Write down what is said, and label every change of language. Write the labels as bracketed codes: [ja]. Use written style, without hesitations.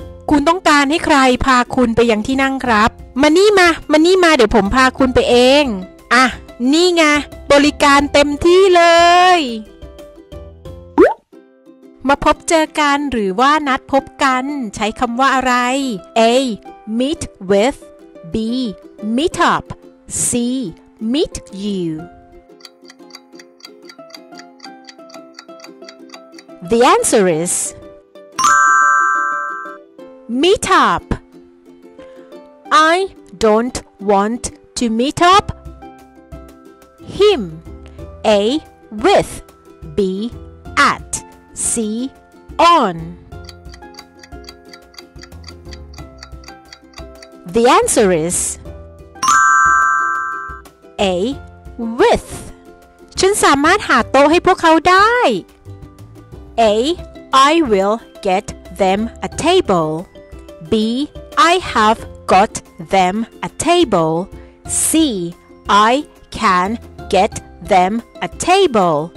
[th] คุณต้องการให้ใครพาคุณไปยังที่นั่งครับมานี่มาเดี๋ยวผมพาคุณไปเองอ่ะนี่ไงบริการเต็มที่เลยมาพบเจอกันหรือว่านัดพบกันใช้คำว่าอะไร A. [en] meet with B. meet up C. meet you The answer is Meet up I don't want to meet upHim A with B at C on The answer is A with [th] ฉันสามารถหาโต๊ะให้พวกเขาได้ [en] A I will get them a table B I have got them a table C I can get them a table.